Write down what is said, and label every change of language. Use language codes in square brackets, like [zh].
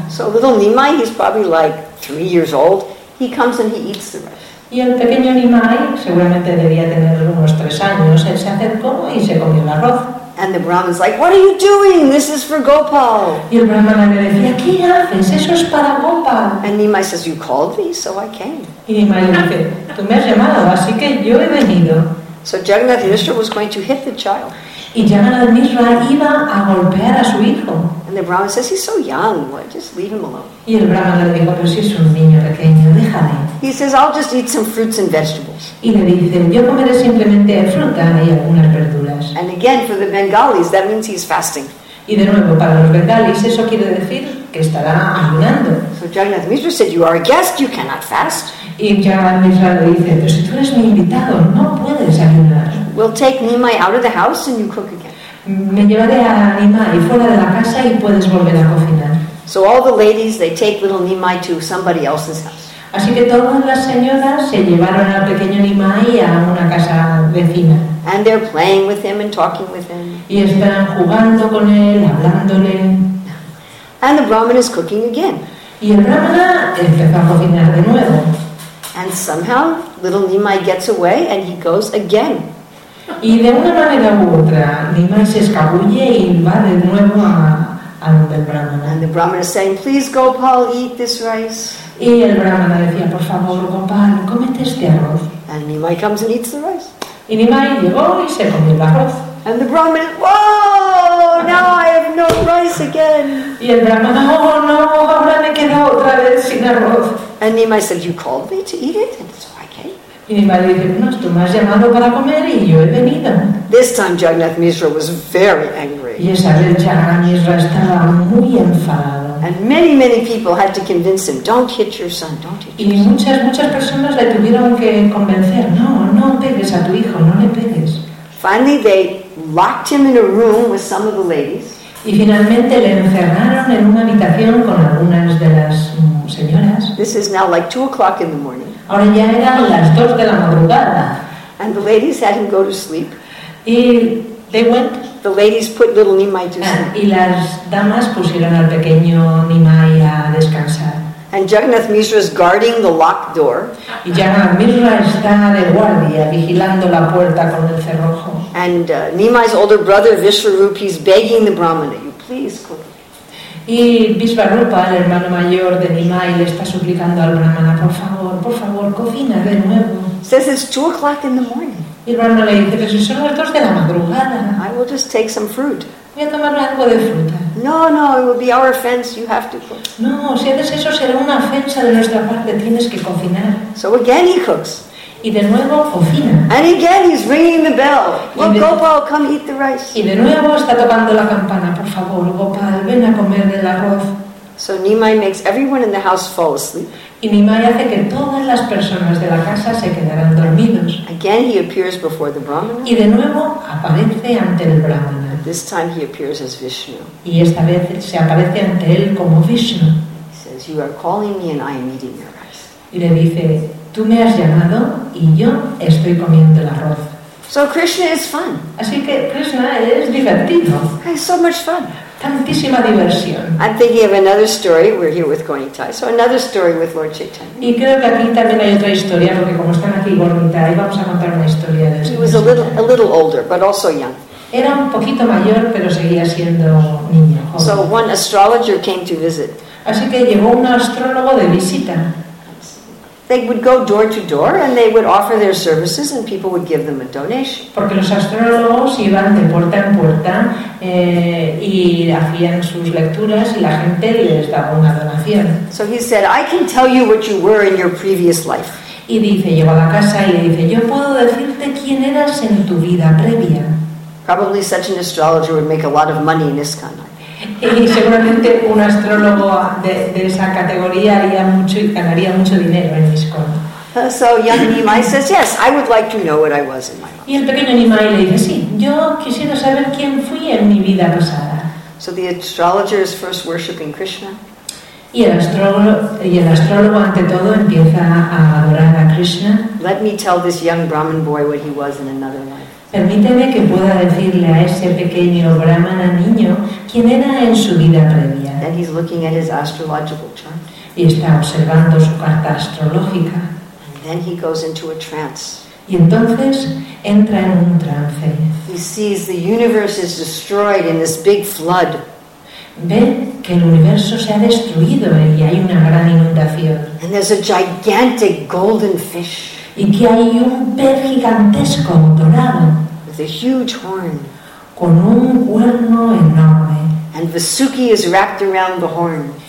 [en] So little Nimai, he's probably like 3 years old, he comes and he eats the rice. [es] Y el pequeño Nimai, seguramente debía tener unos 3 años, él se acercó y se comió el arroz. [en] And the brahmana's like, what are you doing? This is for Gopal. [es] Y el brahmana le decía, ¿qué haces? Eso es para Gopal. [en] And Nimai says, you called me, so I came. [es] Y Nimai le dice, tú me has llamado, así que yo he venido. [en] So Jagannath Mishra was going to hit the child. [es] Y Jagannath Mishra iba a golpear a su hijo. [en] And the Brahmana says, he's so young, well, just leave him alone. [es] Y el Brahmana le dijo, pero si es un niño pequeño, déjale. [en] He says, I'll just eat some fruits and vegetables. [es] Y le dice, yo comeré simplemente fruta y algunas verduras. [en] And again, for the Bengalis, that means he's fasting. [es] Y de nuevo, para los Bengalis, eso quiere decir que estará ayunando. [en] So Jagannath Mishra said, you are a guest, you cannot fast. [es] Y Jagannath Mishra le dice, pero si tú eres mi invitado, no puedes ayunar. [en] We'll take Nimai out of the house and you cook again. [es] Me llevaré a Nimai fuera de la casa y puedes volver a cocinar. [en] So all the ladies, they take little Nimai to somebody else's house. [es] Así que todas las señoras se llevaron al pequeño Nimai a una casa vecina. [en] And they're playing with him and talking with him. [es] Y están jugando con él, hablándole. [en] And the Brahmin is cooking again. [es] Y el Brahmana empezó a cocinar de nuevo. [en] And somehow, little Nimai gets away and he goes again. [es] Y de una manera u otra, Nimai se escabulle y va de nuevo a donde el Brahmana. [en] And the Brahmana is saying, please Gopal, eat this rice. [es] Y el Brahmana decía, por favor, Gopal, cómete este arroz. [en] And Nimai comes and eats the rice. [es] Y Nimai llegó y se comió el arroz. [en] And the Brahmana, whoa, now I have no rice again. [es] Y el Brahmana, oh no, ahora me quedo otra vez sin arroz. [en] And Nimai said, you called me to eat it, and so I came. [es] Y Nimai le dice, no, tú me has llamado para comer y yo he venido. [en] This time Jagannath Mishra was very angry. [es] Y esa vez Jagannath Mishra estaba muy enfadado. [en] And many, many people had to convince him, don't hit your son, don't hit your son. [es] Y muchas, muchas personas le tuvieron que convencer, no, no pegues a tu hijo, no le pegues. [en] Finally, they locked him in a room with some of the ladies. [es] Y finalmente le encerraron en una habitación con algunas de las señoras. [en] This is now like 2 o'clock in the morning. [es] Ahora ya eran las 2 de la madrugada. [en] And the ladies had him go to sleep. Y they went. The ladies put little Nimai to sleep. [es] Y las damas pusieron al pequeño Nimai a descansar. [en] And Jagannath Mishra is guarding the locked door. [es] Y Jagannath Mishra está de guardia, vigilando la puerta con el cerrojo. [en] And Nimai's older brother, Vishwarupa, he's begging the Brahmana, you please cook. [es] Y Vishwarupa, el hermano mayor de Nimai, le está suplicando al Brahmana, por favor, cocina de nuevo. [en] Says it's 2 o'clock in the morning. [es] Y Rana le dice, pero si son las dos de la madrugada. [en] I will just take some fruit. [es] Voy a tomar algo de fruta. [en] No, no, it will be our offense. You have to cook. [es] No, si haces eso será una ofensa de nuestra parte. Tienes que cocinar. [en] So again he cooks. [es] Y de nuevo cocina. [en] And again he's ringing the bell. Well, Gopal, come eat the rice. [es] Y de nuevo está tocando la campana. Por favor, Gopal, ven a comer el arroz. [en] So Nimai makes everyone in the house fall asleep. [es] Y Nimai hace que todas las personas de la casa se quedaran dormidos. [en] Again he appears before the Brahmana. [es] Y de nuevo aparece ante el Brahmana. [en] This time he appears as Vishnu. [es] Y esta vez se aparece ante él como Vishnu. [en] He says, "You are calling me, and I am eating your rice." [es] Y le dice, "Tú me has llamado y yo estoy comiendo el arroz." [en] So Krishna is fun. [es] Así que Krishna es divertido. [en] It's so much fun. [es] Tantísima diversión. [en] I'm thinking of another story. We're here with Gaunitai. So another story with Lord Chaitanya. [es] Y creo que aquí también hay otra historia, porque como están aquí Gaunitai, vamos a contar una historia de [en] He was a little older, but also young. [es] Era un poquito mayor, pero seguía siendo niño. [en] So one astrologer came to visit. [es] Así que llegó un astrólogo de visita. [en] They would go door to door and they would offer their services and people would give them a donation. [es] Porque los astrólogos iban de puerta en puerta y hacían sus lecturas y la gente les daba una donación. [en] So he said, "I can tell you what you were in your previous life." [es] Y dice, llegó a la casa y le dice, "Yo puedo decirte quién eras en tu vida previa." [en] Probably such an astrologer would make a lot of money in ISKCON. [es] Y seguramente un astrólogo de esa categoría haría mucho y ganaría mucho dinero en ISKCON. [en] So young Nimai says, "Yes, I would like to know what I was in my life." [es] Y el pequeño Nimai le dice, "Sí, yo quisiera saber quién fui en mi vida pasada." [en] So the astrologer is first worshiping Krishna. [es] Y el astrólogo ante todo empieza a adorar a Krishna. [en] "Let me tell this young Brahmin boy what he was in another life." [es] Permíteme que pueda decirle a ese pequeño brahmana niño quién era en su vida previa. [en] Then he's looking at his astrological chart. [es] Y está observando su carta astrológica. [en] And then he goes into a trance. [es] Y entonces entra en un trance. [en] He sees the universe is destroyed in this big flood. [es] Ve que el universo se ha destruido y hay una gran inundación. [en] And there's a gigantic golden fish. [es] Y que hay un pez gigantesco, dorado, [en] with a huge horn, [es] con un cuerno enorme, [en] and Vasuki is wrapped around the horn,